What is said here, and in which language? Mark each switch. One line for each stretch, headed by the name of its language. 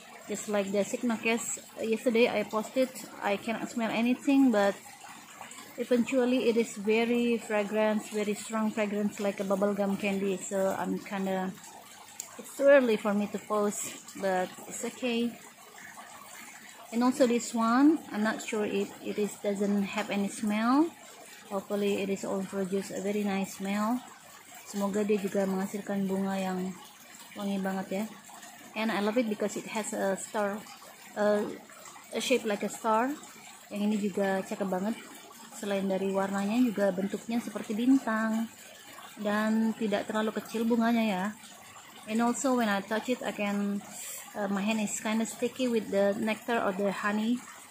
English: Just like the Signocase yesterday I posted, I cannot smell anything, but eventually it is very fragrant, very strong fragrance like a bubblegum candy. So I'm kinda, it's too early for me to post, but it's okay. And also this one, I'm not sure if it is doesn't have any smell. Hopefully it is all produce a very nice smell.
Indonesian: Semoga dia juga menghasilkan bunga yang wangi banget ya.
English: And I love it because it has a star, a shape like a star.
Indonesian: Yang ini juga cakep banget. Selain dari warnanya juga bentuknya seperti bintang dan tidak terlalu kecil bunganya ya.
English: And also when I touch it, I can my hand is kind of sticky with the nectar or the honey.